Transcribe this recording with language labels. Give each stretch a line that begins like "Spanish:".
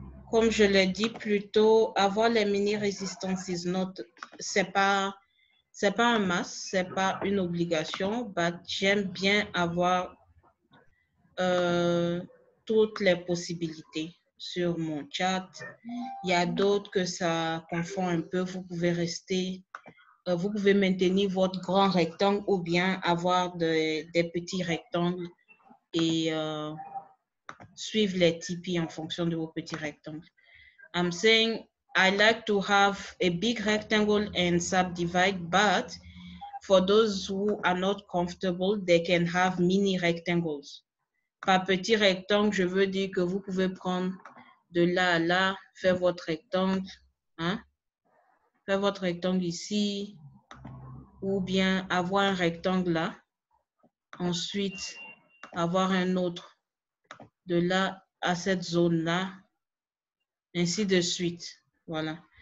French: Comme je l'ai dit plus tôt, avoir les mini résistances c'est pas un must, c'est pas une obligation, but j'aime bien avoir toutes les possibilités sur mon chat. Il y a d'autres que ça confond un peu. Vous pouvez rester, vous pouvez maintenir votre grand rectangle ou bien avoir des petits rectangles et suivre les tipis en fonction de vos petits rectangles.
English: I'm saying I like to have a big rectangle and subdivide, but for those who are not comfortable, they can have mini rectangles.
French: Par petit rectangle, je veux dire que vous pouvez prendre de là à là, faire votre rectangle, hein? Faire votre rectangle ici, ou bien avoir un rectangle là, ensuite avoir un autre de là à cette zone-là, ainsi de suite. Voilà.